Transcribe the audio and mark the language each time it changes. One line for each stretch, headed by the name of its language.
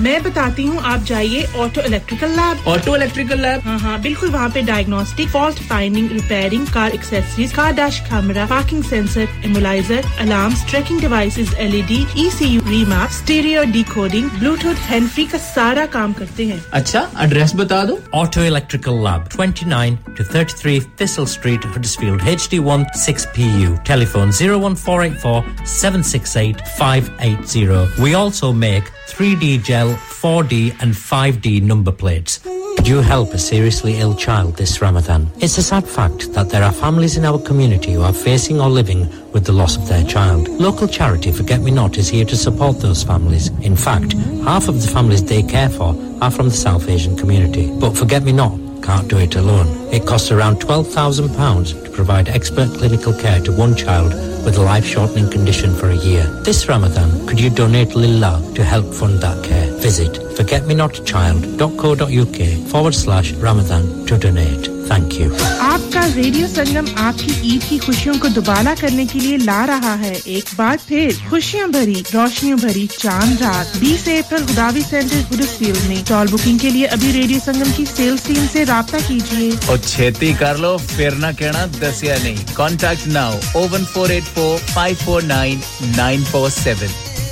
Hindi: मैं बताती हूँ आप जाइए ऑटो इलेक्ट्रिकल लैब हाँ हाँ बिल्कुल वहाँ पे diagnostic fault finding repairing car accessories car dash camera parking sensor इमोलाइजर alarm trekking devices LED ECU remap stereo decoding Bluetooth hand free का सारा काम करते हैं अच्छा एड्रेस बता दो
English: Auto electrical lab 29-33 फिसल street Huddersfield HD1 6PU telephone 01484 768 580 we also make 3D gel 4D and 5D number plates Do you help a seriously ill child this Ramadan? It's a sad fact that there are families in our community who are facing or living with the loss of their child. Local charity Forget Me Not is here to support those families. In fact, half of the families they care for are from the South Asian community. But Forget Me Not can't do it alone. It costs around £12,000 to provide expert clinical care to one child with a life-shortening condition for a year. This Ramadan, could you donate Lilla to help fund that care? Visit forgetmenotchild.co.uk/Ramadan to donate. Thank you.
Hindi: आपका radio संगम आपकी ईद की खुशियों को दुबाला करने के लिए ला रहा है एक बार फिर खुशियां भरी रोशनियों भरी चांद रात 20 अप्रैल गुदावी सेंटर हुडर्सफील्ड में टॉल बुकिंग के लिए अभी रेडियो संगम की सेल्स टीम से राबता कीजिए
Punjabi: और छेती कर लो फिर ना कहना दसिया नहीं
English: contact now
Punjabi: 01484549947